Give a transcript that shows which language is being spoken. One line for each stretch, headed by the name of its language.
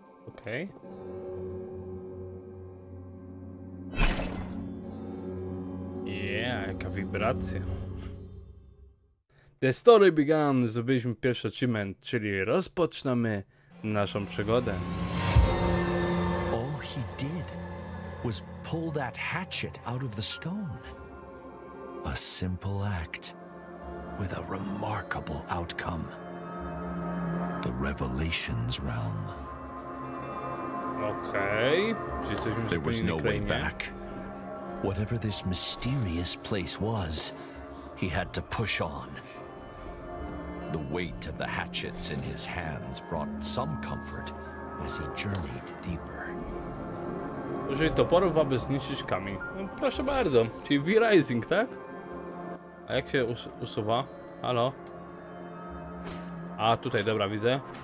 English: Okay. Yeah,
Polish: jaka wibracja.
English: The story began.
Polish: Zrobiliśmy pierwszy achievement, czyli rozpoczynamy naszą przygodę.
English: All he did was pull that hatchet out of the stone. A simple act with a remarkable outcome. The revelations realm. Okay. There was no way back. Whatever this mysterious place was, he had to push on. The weight of the hatchets in his hands brought some comfort as he journeyed deeper.
Polish: Użyj toporów, aby zniszczyć kamień. No, proszę bardzo, czyli V-Rising, tak? A jak się usuwa? Halo? A, tutaj, dobra, widzę.